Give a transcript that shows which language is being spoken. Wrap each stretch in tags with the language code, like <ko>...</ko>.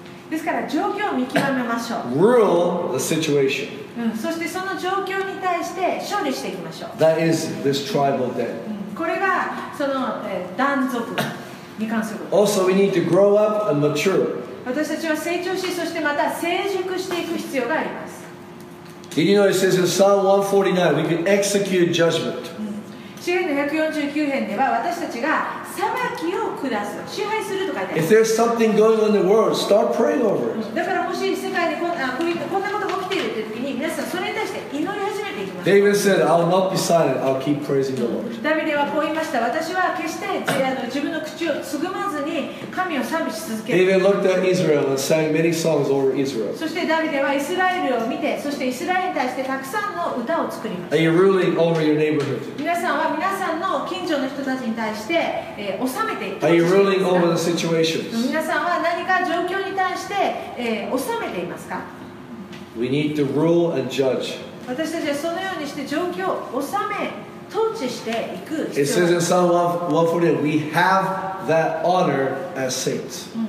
<ja>ですから状況を見極めましょう。</ja> <en>Rule the situation.</en> <ja>そしてその状況に対して勝利していきましょう。</ja> <en>That is this tribal day.</en> <ja>これがその断続に関すること。</ja> <en>Also, we need to grow up and mature.</en> <ja>私たちは成長し、そしてまた成熟していく必要があります。</ja> <en>Did you know it says in Psalm 149, we can execute judgment.</en> <ja>詩篇の149編では私たちが裁きを下す、支配すると書いてあります。</ja> <en>If there's something going on in the world, start praying over it.</en> <ja>だからもし世界にこんなことが起きているって時に、皆さんそれに対して祈り始めていきます。</ja> <en>David said, I'll not be silent, I'll keep praising the Lord.</en> <ja>ダビデはこう言いました。私は決して自分の口をつぐまずに神を賛美し続ける。</ja> <en>David looked at Israel and sang many songs over Israel.</en> <ja>そしてダビデはイスラエルを見て、そしてイスラエルに対してたくさんの歌を作りました。</ja> <en>Are you ruling over your neighborhood?</en> <ja>皆さんは皆さんの近所の人たちに対して収めていますか?</ja> <en>Are you ruling over the situations?</en> <ja>皆さんは何か状況に対して収めていますか?</ja> <en>We need to rule and judge.</en> <ja>私たちはそのようにして状況を収め、統治</ja> <en>It says in Psalm 149, we have that honor as saints.</en>